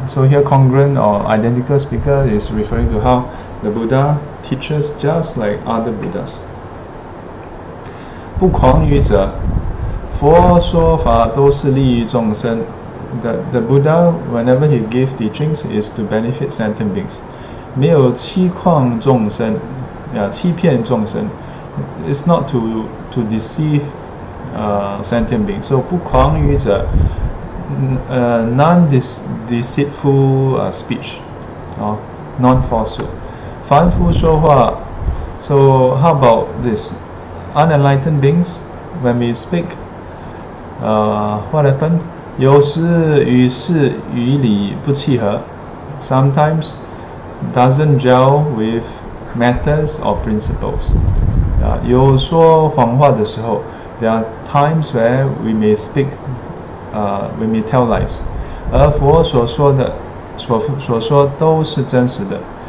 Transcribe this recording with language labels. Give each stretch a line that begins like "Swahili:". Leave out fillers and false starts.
English: So here congruent or identical speaker is referring to how the Buddha teaches just like other Buddhas.
Chinese: 不狂语者, 佛说法都是利益众生.
English: The Buddha, whenever he gives teachings, is to benefit sentient beings.
Chinese: 没有欺诳众生, yeah, 欺骗众生.
English: It's not to deceive sentient beings. So
Chinese: 不狂于者,
English: non-deceitful speech, non-falsehood.
Chinese: 凡夫说话,
English: so how about this? Unenlightened beings, when we speak, what happened?
Chinese: 有时与事与理不契合,
English: sometimes doesn't gel with matters or principles.
Chinese: 有说谎话的时候,
English: there are times where we may speak, we may tell lies.
Chinese: 而佛所说的都是真实的.